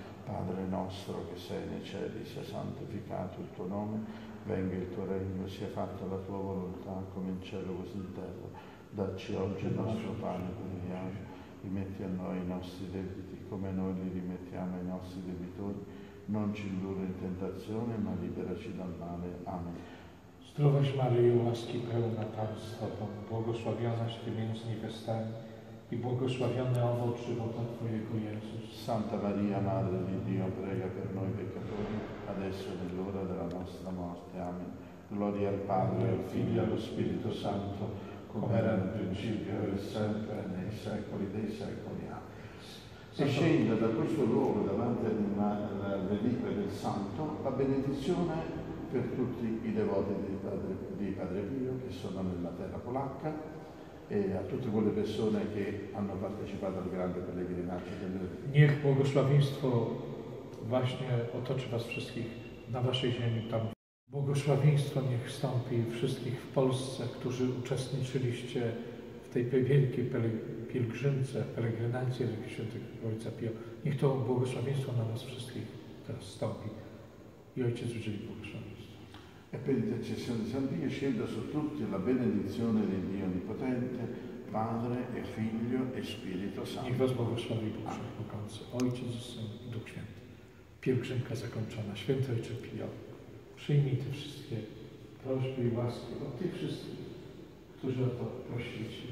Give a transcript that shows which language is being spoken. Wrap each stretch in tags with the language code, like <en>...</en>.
<it>Padre nostro che sei nei cieli, sia santificato il tuo nome, venga il tuo regno, sia fatta la tua volontà, come in cielo così in terra. Dacci oggi il nostro pane quotidiano. Rimetti a noi i nostri debiti, come noi li rimettiamo ai nostri debitori. Non ci indurre in tentazione, ma liberaci dal male. Amen.</it> <pl>Zdrowaś Maryjo, łaski pełna, Pan z Tobą, błogosławionaś Ty między niewiastami i błogosławione owoc żywota Twojego, Jezus.</pl> <it>Santa Maria, Madre di Dio, prega per noi peccatori, adesso e nell'ora della nostra morte. Amen. Gloria al Padre, al Figlio e allo Spirito Santo, come era nel principio e sempre nei secoli dei secoli. Si scende da questo luogo davanti alla reliquia del Santo la benedizione per tutti i devoti di Padre Pio che sono nella terra polacca e a tutte quelle persone che hanno partecipato al grande pellegrinaggio del Padre.</it> <pl>Niech błogosławieństwo właśnie otoczy was wszystkich na waszej ziemi tam. Błogosławieństwo niech wstąpi wszystkich w Polsce, którzy uczestniczyliście w tej wielkiej pielgrzymce, pielgrzymacji Reliki Świętego Ojca Pio. Niech to błogosławieństwo na nas wszystkich teraz wstąpi. I Ojciec udzieli błogosławieństwo.</pl> <it>E per intercessione di San Pio scenda su tutti la benedizione del Dio Onnipotente, Padre e Figlio e Spirito Santo.</it> <pl>Niech was błogosławi Bóg Wszechmogący, Ojciec i Syn i Duch Święty. Pielgrzymka zakończona. Święty Ojcze Pio. Przyjmij te wszystkie prośby i łaski od tych wszystkich, którzy o to prosili.</pl>